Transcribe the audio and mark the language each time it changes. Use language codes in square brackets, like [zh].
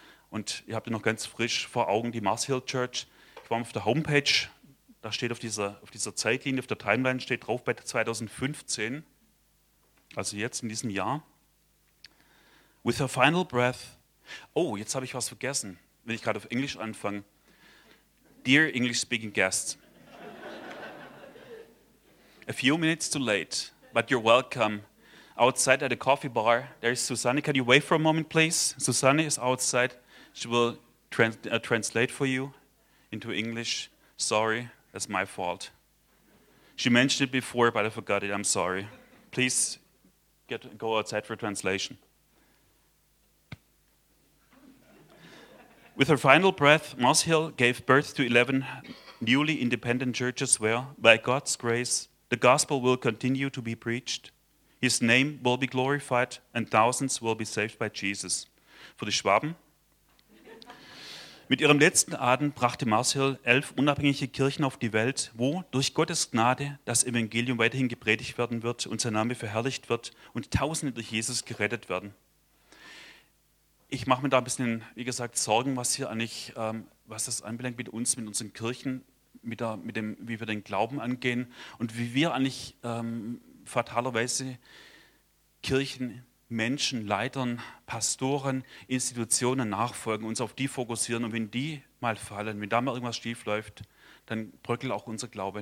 [de] Und ihr habt ja noch ganz frisch vor Augen die Mars Hill Church. Ich war auf der Homepage, da steht auf dieser Zeitlinie, auf der Timeline steht drauf, bei 2015, also jetzt in diesem Jahr, [en] with her final breath, [de] oh, jetzt habe ich was vergessen, wenn ich gerade auf Englisch anfange, [en] dear English speaking guests, a few minutes too late, but you're welcome. Outside at a coffee bar, there is Susanne. Can you wait for a moment, please? Susanne is outside. She will translate for you into English. Sorry, that's my fault. She mentioned it before, but I forgot it. I'm sorry. Please go outside for translation. With her final breath, Moss Hill gave birth to 11 newly independent churches where, by God's grace, the gospel will continue to be preached, his name will be glorified, and thousands will be saved by Jesus. [de] Für die Schwaben. Mit ihrem letzten Atem brachte Mars Hill 11 unabhängige Kirchen auf die Welt, wo durch Gottes Gnade das Evangelium weiterhin gepredigt werden wird und sein Name verherrlicht wird und Tausende durch Jesus gerettet werden. Ich mache mir da ein bisschen, wie gesagt, Sorgen, was hier eigentlich, was das anbelangt mit uns, mit unseren Kirchen, mit dem, wie wir den Glauben angehen und wie wir eigentlich fatalerweise Kirchen, Menschen, Leitern, Pastoren, Institutionen nachfolgen, uns auf die fokussieren und wenn die mal fallen, wenn da mal irgendwas schiefläuft, dann bröckelt auch unser Glaube.